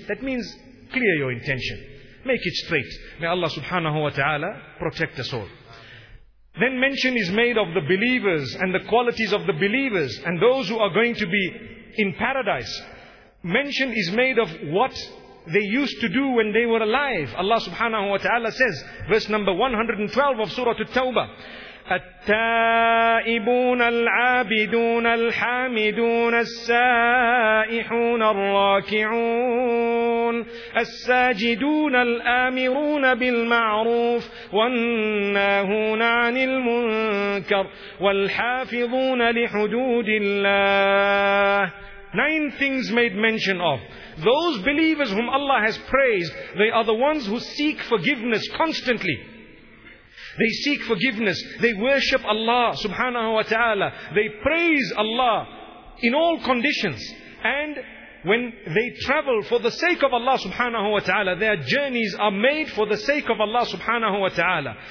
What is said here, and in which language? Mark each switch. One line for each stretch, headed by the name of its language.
English: That means, clear your intention. Make it straight. May Allah subhanahu wa ta'ala protect us all. Then mention is made of the believers and the qualities of the believers and those who are going to be in paradise. Mention is made of what they used to do when they were alive. Allah subhanahu wa ta'ala says, verse number 112 of Surah At-Tawbah,
Arabic: التائبون العابدون الحامدون السائحون الراكعون الساجدون الآمرون بالمعروف والناهون عن المنكر والحافظون لحدود الله.
English: Nine things made mention of. Those believers whom Allah has praised, they are the ones who seek forgiveness constantly. They seek forgiveness. They worship Allah subhanahu wa ta'ala. They praise Allah in all conditions. And when they travel for the sake of Allah subhanahu wa ta'ala, their journeys are made for the sake of Allah subhanahu wa ta'ala.